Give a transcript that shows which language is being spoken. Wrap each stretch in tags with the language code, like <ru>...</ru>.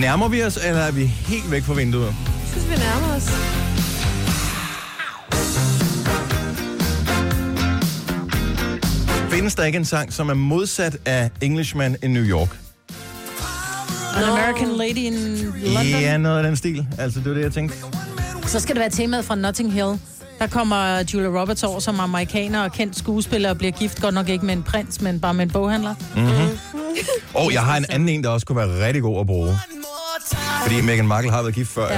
<da>Nærmer vi os, eller er vi helt væk fra vinduet? Jeg synes, vi nærmer os. Findes der ikke en sang, som er modsat af Englishman in New York?</da> <en>An American Lady in London?</en> <da>Ja, noget af den stil. Altså, det var det, jeg tænkte. Så skal det være temaet fra Notting Hill. Der kommer Julia Roberts over som amerikaner og kendt skuespiller og bliver gift godt nok ikke med en prins, men bare med en boghandler. Mm-hmm. Og jeg har en anden en, der også kunne være rigtig god at bruge. Fordi Meghan Markle har været gift før. Ja.</da>